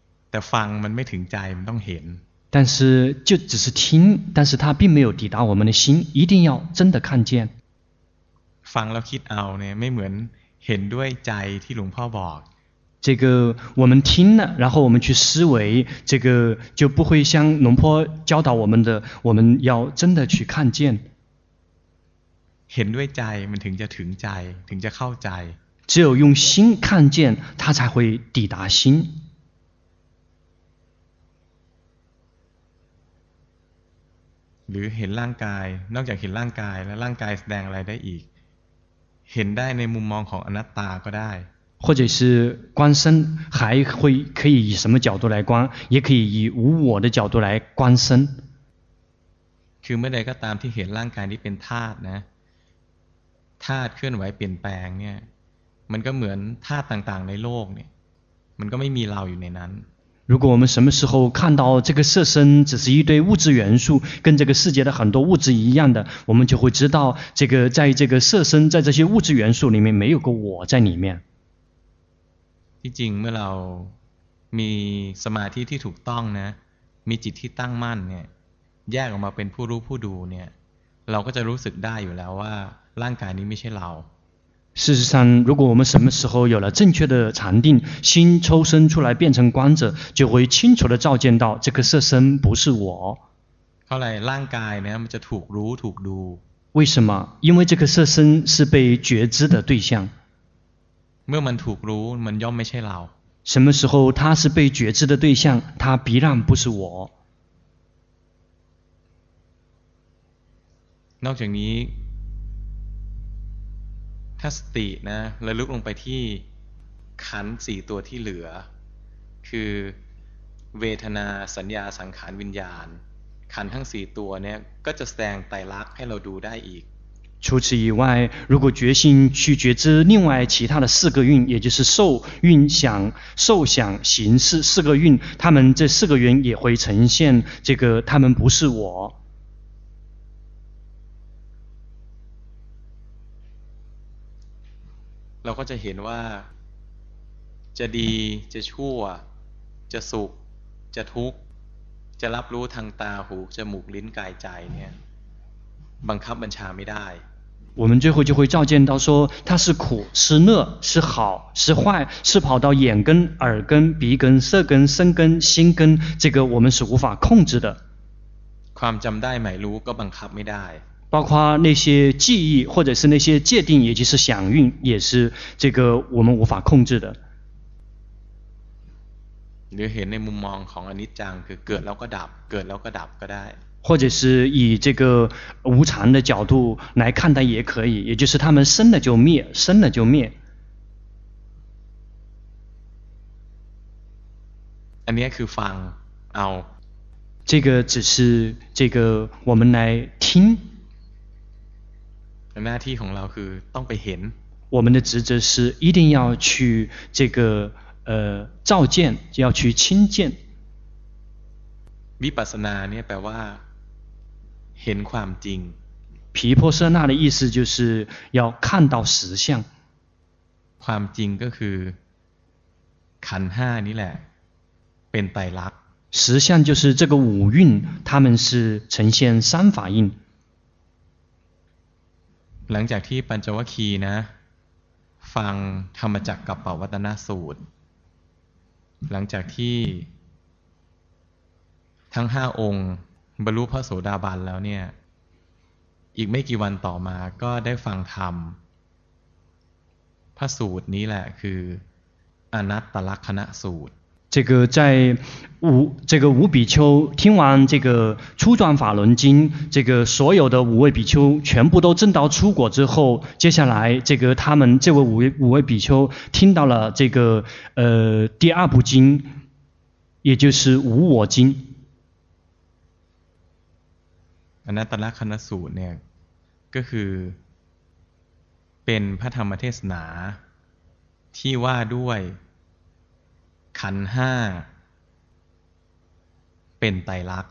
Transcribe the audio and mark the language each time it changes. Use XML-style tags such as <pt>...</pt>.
<th>แต่ฟังมันไม่ถึงใจมันต้องเห็น</th> <zh>但是就只是听，但是它并没有抵达我们的心，一定要真的看见。</zh> <th>ฟังแล้วคิดเอาเนี่ยไม่เหมือนเห็นด้วยใจที่หลวงพ่อบอก</th> <zh>这个我们听了，然后我们去思维，这个就不会像龙坡教导我们的，我们要真的去看见。</zh> <th>เห็นด้วยใจมันถึงจะถึงใจถึงจะเข้าใจ</th> <zh>只有用心看见它才会抵达心。</zh> <th>หรือเห็นร่างกายนอกจากเห็นร่างกายแล้วร่างกายแสดงอะไรได้อีกเห็นได้ในมุมมองของอนัตตาก็ได้</th> <zh>或者是观身，还会可以以什么角度来观，也可以以无我的角度来观身。</zh> <th>คือเมื่อใดก็ตามที่เห็นร่างกายนี้เป็นธาตุนะธาตุเคลื่อนไหวเปลี่ยนแปลงเนี่ยมันก็เหมือนธาตุต่างๆในโลกเนี่ยมันก็ไม่มีเราอยู่ในนั้น</th> <zh>如果我们什么时候看到这个色身只是一堆物质元素，跟这个世界的很多物质一样的，我们就会知道这个在这个色身在这些物质元素里面没有个我在里面。</zh> <th>ที่จริงเมื่อเรามีสมาธิที่ถูกต้องนะมีจิตที่ตั้งมั่นเนี่ยแยกออกมาเป็นผู้รู้ผู้ดูเนี่ยเราก็จะรู้สึกได้อยู่แล้วว่าร่างกายนี้ไม่ใช่เรา</th> <zh>事实上如果我们什么时候有了正确的禅定心抽身出来变成观者就会清楚地照见到这个色身不是我</zh> <th>เท่าไหร่ร่างกายเนี่ยมันจะถูกรู้ถูกดู</th> <zh>为什么因为这个色身是被觉知的对象</zh> <th>เมื่อมันถูกรู้มันย่อมไม่ใช่เรา</th> <zh>什么时候它是被觉知的对象它必然不是我</zh> <th>นอกจากนี้ถ้าสตินะระลึกลงไปที่ขันธ์สี่ตัวที่เหลือคือเวทนาสัญญาสังขารวิญญาณขันธ์ทั้งสี่ตัวเนี่ยก็จะแสดงไตรลักษณ์ให้เราดูได้อีก</th> <zh>除此以外，如果决心去觉知另外其他的四个蕴，也就是受、蕴、想、受、想、行、识四个蕴，他们这四个蕴也会呈现这个，他们不是我。</zh> <th>เราก็จะเห็นว่าจะดีจะชั่วจะสุขจะทุกข์จะรับรู้ทางตาหูจมูกลิ้นกายใจเนี่ยบังคับบัญชาไม่ได้</th> <zh>我们最后就会照见到说它是苦是乐是好是坏是跑到眼根耳根鼻根色根身根心根这个我们是无法控制的</zh> <th>ความจำได้ไม่รู้ก็บังคับไม่ได้</th> <zh>包括那些记忆或者是那些界定也就是想蕴也是这个我们无法控制的</zh> <th>หรือเห็นในมุมมองของอนิจจังคือเกิดแล้วก็ดับเกิดแล้วก็ดับก็ได้</th> <zh>或者是以这个无常的角度来看待也可以，也就是他们生了就灭，生了就灭。</zh> <th>อันนี้คือฟังเอา</th> <zh>这个只是这个我们来听。</zh> <th>หน้าที่ของเราคือต้องไปเห็น。</th> <zh>我们的职责是一定要去这个照见，要去亲见。</zh> <th>วิปัสสนาเนี่ยแปลว่าเห็นความจริง</th> <zh>毗婆舍那的意思就是要看到实相</zh> <th>ความจริงก็คือขันธ์ห้านี่แหละเป็นไตรลักษณ์</th> <zh>实相就是这个五蕴他们是呈现三法印</zh> <th>หลังจากที่ปัญจวัคคีย์นะฟังธรรมจักรกัปปวัตตนสูตรหลังจากที่ทั้งห้าองค์บรรลุพระโสดาบันแล้วเนี่ยอีกไม่กี่วันต่อมาก็ได้ฟังธรรมพระสูตรนี้แหละคืออนัตตลักขณสูตร</th> <zh>这个在五这个五比丘听完这个初转法轮经这个所有的五位比丘全部都证到初果之后接下来这个他们这位五位比丘听到了这个第二部经也就是无我经</zh> <th>อนัตตลักขณสูตรเนี่ยก็คือเป็นพระธรรมเทศนาที่ว่าด้วยขันธ์ห้าเป็นไตรลักษณ</th>